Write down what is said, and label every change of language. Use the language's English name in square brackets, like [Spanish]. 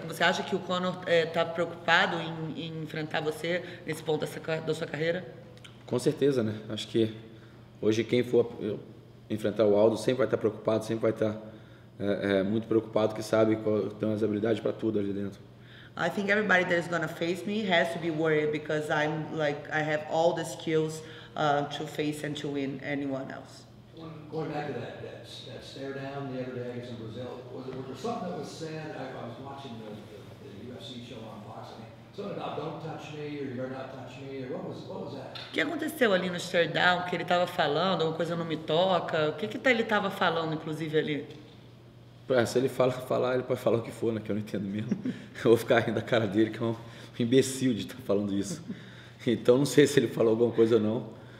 [Portuguese] Você acha que o Conor está preocupado em enfrentar você nesse ponto da sua carreira? Com certeza, né? Acho que hoje quem for enfrentar o Aldo sempre vai estar preocupado, sempre vai estar muito preocupado, que sabe que tem as habilidades para tudo ali dentro. [English] I think everybody that is gonna face me has to be worried because I'm like I have all the skills to face and to win anyone else. Going back to that stare down the other day in Brazil, was there something that was said? I was watching the UFC show on Fox. Something about don't touch me or you're not touching me. Or what was that? [Portuguese] O que aconteceu ali no stare down? Que ele estava falando alguma coisa, não me toca. O que ele estava falando, inclusive ali? Se ele falar, ele pode falar o que for, né? Que eu não entendo mesmo. Eu vou ficar rindo da cara dele, que é um imbecil de estar falando isso. Então não sei se ele falou alguma coisa ou não.